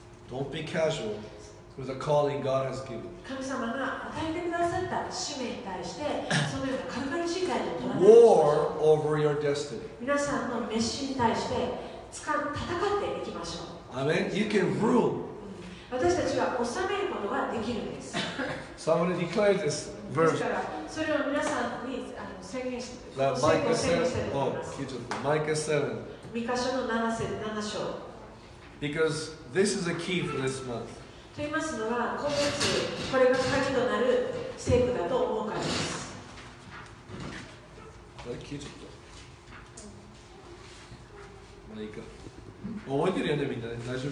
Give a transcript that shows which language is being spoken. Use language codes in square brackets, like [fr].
[en] Don't be casual with the calling God has given. [ja] 神様が与えてくださった使命に対して、そのような軽々しい態度を取らない。 [en] War over your destiny. [ja] 皆さんの召に対して戦っていきましょう。 [en] Amen. You can rule. [ja] 私たちは治めることができるんです。 [en] So I'm going to declare this verse. [ja] それを皆さんに宣言して、宣言してください。 [en] Oh, Micah 7. [ja] ミカ書の7章。 [en] Because this is a key for this month. [ja] と言いますのは、今月これが鍵となる聖句だと思うからです。マイカ。覚えてるよねみんなね。大丈夫。